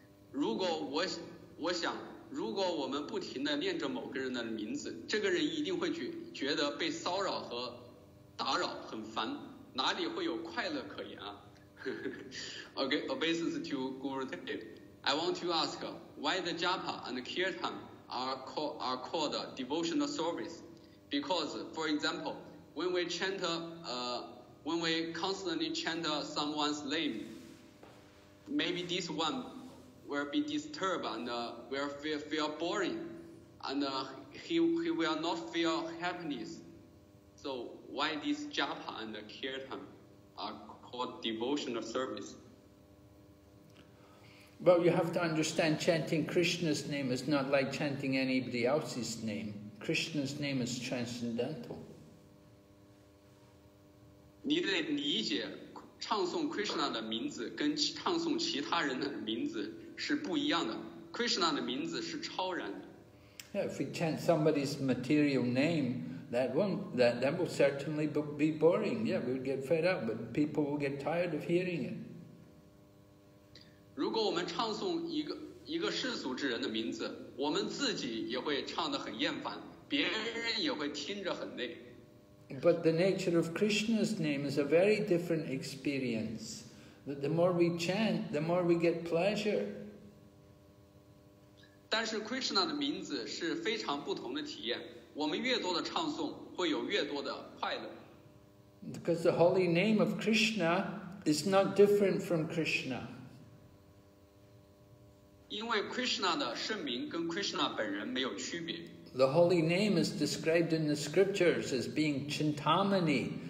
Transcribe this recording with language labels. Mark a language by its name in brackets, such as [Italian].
[Chinese] 如果我们不停地念着某个人的名字，这个人一定会觉得被骚扰和打扰很烦，哪里会有快乐可言啊？ [English] Okay, obeisance to Guru Dev. I want to ask why the Japa and Kirtan are called devotional service. Because, for example, when we chant, when we constantly chant someone's name, maybe this one will be disturbed and will feel boring, and he will not feel happiness. So why this japa and kirtan are called devotional service? Well, you have to understand chanting Krishna's name is not like chanting anybody else's name. Krishna's name is transcendental. [Chinese] 你得理解，唱诵 Krishna 的名字跟唱诵其他人的名字是不一样的。 Krishna 的名字是超然的。 [English] Yeah, if we chant somebody's material name, that will certainly be boring. Yeah, we'll get fed up, but people will get tired of hearing it. [Chinese] 如果我们唱诵一个世俗之人的名字，我们自己也会唱得很厌烦。别人也会听着很累。 [English] But the nature of Krishna's name is a very different experience. That the more we chant, the more we get pleasure. [Chinese] 但是 Krishna 的名字是非常不同的体验。我们越多的唱诵，会有越多的快乐。 [English] Because the holy name of Krishna is not different from Krishna. [Chinese] 因为 Krishna 的圣名跟 Krishna 本人没有区别。 [English] The holy name is described in the scriptures as being Chintamani.